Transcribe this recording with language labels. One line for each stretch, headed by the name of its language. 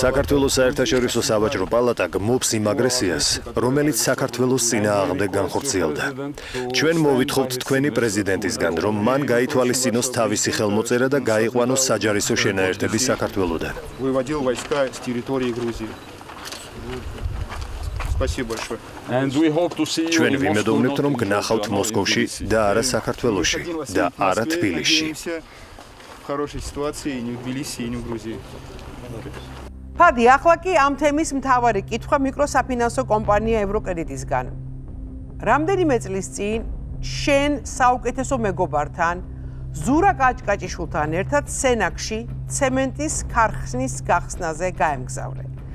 Georgian: საქართველოს საერთაშორისო სავაჭრო პალატა გმობს იმ აგრესიას, რომელიც საქართველოს წინააღმდეგ განხორციელდა. ჩვენ მოვითხოვთ თქვენი პრეზიდენტისგან, რომ მან გაითვალისწინოს თავისი ხელმოწერა და გაიყვანოს საჯარისო შენაერთები საქართველოდან.
Russian: Выводил войска с территории Грузии. Спасибо большое.
English: And we hope to see you.
Georgian: ჩვენ ვიმედოვნებთ, რომ გნახავთ მოსკოვში და არა საქართველოში და არა თბილისში.
Russian: В хорошей ситуации не в Тбилиси и не в Грузии.
Georgian: ფადი, ახლა კი ამ თემის მთავარი კითხვა მიკროსაფინანსო კომპანია ევროკრედიტისგან. რამდენიმე წლის წინ შენ საუკეთესო მეგობართან, ზურა კაჭკაჭიშვილთან ერთად სენაკში ცემენტის ქარხნის გახსნაზე გაემგზავრე.